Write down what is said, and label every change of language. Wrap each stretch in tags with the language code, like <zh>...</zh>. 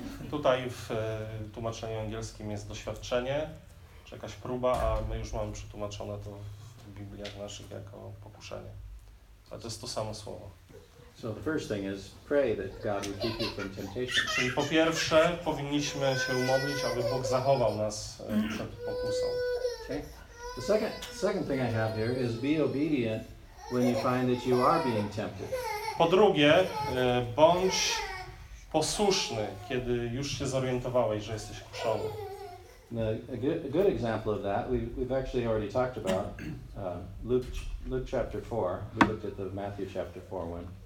<pl>Tutaj w tłumaczeniu angielskim jest doświadczenie, czy jakaś próba, a my już mamy przetłumaczone to w Bibliach naszych jako pokuszenie. Ale to jest to samo słowo.</pl> <en>So the first thing is pray that God will keep you from temptation.</en> <pl>Czyli po pierwsze powinniśmy się umodlić, aby Bóg zachował nas przed pokusą.</pl> <en>Okay. The second thing I have here is be obedient when you find that you are being tempted.</en> <pl>Po drugie, bądź posłuszny, kiedy już się zorientowałeś, że jesteś kuszony.</pl> <en>A good example of that, we've actually already talked about Luke chapter 4. We looked at the Matthew chapter 4 one.</en>